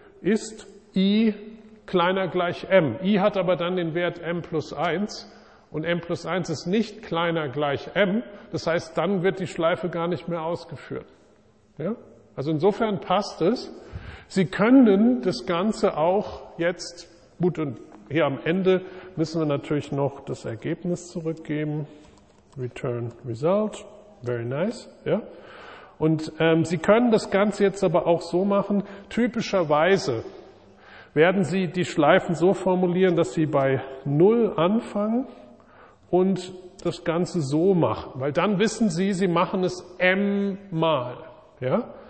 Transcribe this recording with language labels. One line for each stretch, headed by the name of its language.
German: Ist i kleiner gleich m? I hat aber dann den Wert m plus 1 und m plus 1 ist nicht kleiner gleich m. Das heißt, dann wird die Schleife gar nicht mehr ausgeführt. Ja? Also insofern passt es. Sie können das Ganze auch jetzt, gut, und hier am Ende müssen wir natürlich noch das Ergebnis zurückgeben.
English: Return result, very nice.
German: Ja. Und Sie können das Ganze jetzt aber auch so machen. Typischerweise werden Sie die Schleifen so formulieren, dass Sie bei 0 anfangen und das Ganze so machen. Weil dann wissen Sie, Sie machen es m mal. Ja.